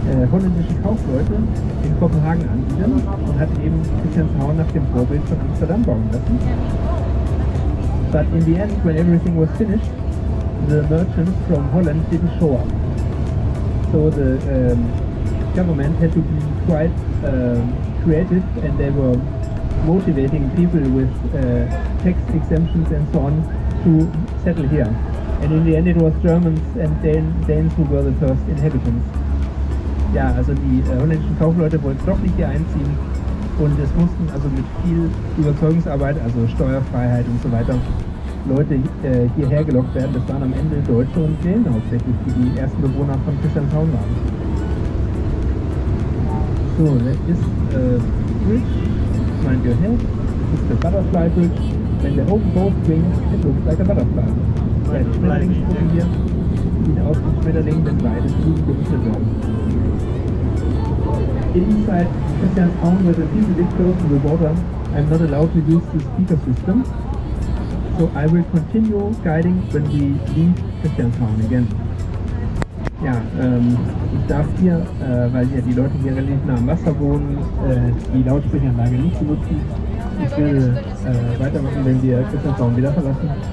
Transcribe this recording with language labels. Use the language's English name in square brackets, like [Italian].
[German] Holländische Kaufleute in Kopenhagen ansiedeln und hat eben Christian Town nach dem Vorbild von Amsterdam bauen lassen. [English] But in the end, when everything was finished, the merchants from Holland didn't show up. So the government had to be quite creative, and they were motivating people with tax exemptions and so on to settle here. And in the end it was Germans and Danes who were the first inhabitants. [German] Ja, also die holländischen Kaufleute wollten doch nicht hier einziehen und es mussten also mit viel Überzeugungsarbeit, also Steuerfreiheit und so weiter, Leute hierher gelockt werden. Das waren am Ende Deutsche und Dänen hauptsächlich, die die ersten Bewohner von Christianshavn waren. So, das ist [English] the bridge, mind your head, [German] das ist der Butterfly Bridge. Wenn der Open Boat springt, [English] it looks like a butterfly. [German] Schmetterlingsgruppen hier, sieht aus wie Schmetterling, wenn beide Flügel gerichtet werden. [English] Inside Christianshavn, where the people live close to the water, I'm not allowed to use the speaker system. So I will continue guiding when we leave Christianshavn again. [German] Ja, ich darf hier, weil ja die Leute hier relativ nah am Wasser wohnen, die Lautsprecheranlage nicht benutzen. Ich will weitermachen, wenn wir Christianshavn wieder verlassen.